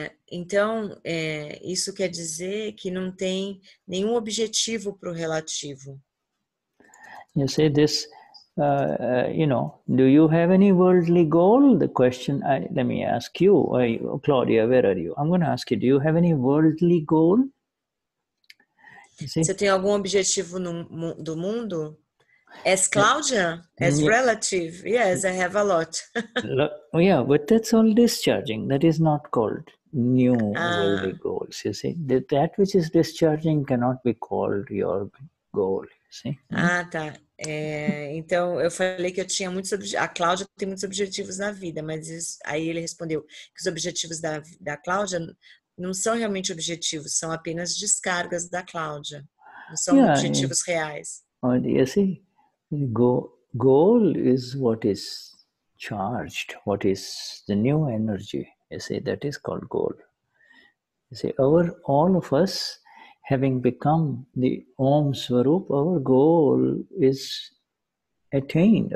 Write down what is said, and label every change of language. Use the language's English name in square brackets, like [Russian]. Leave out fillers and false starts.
[Portuguese] Então, isso quer dizer que não tem nenhum objetivo para o relativo. [English] You say this, you know, do you have any worldly goal? The question, let me ask you, Claudia, where are you? I'm going to ask you, do you have any worldly goal? [Portuguese] Você tem algum objetivo do mundo? [English] As Claudia, as relative, yes, I have a lot. Yeah, but that's all discharging. That is not called new worldly goals, you see. That which is discharging cannot be called your goal, you see. [Portuguese] Ah, tá. Então, eu falei que eu tinha muitos objetivos. A Claudia tem muitos objetivos na vida, mas aí ele respondeu que os objetivos da Claudia não são realmente objetivos, são apenas descargas da Claudia. Não são objetivos reais. [English] You see, goal is what is charged, what is the new energy. You see, that is called goal. You see, all of us having become the Om Swarup, our goal is attained.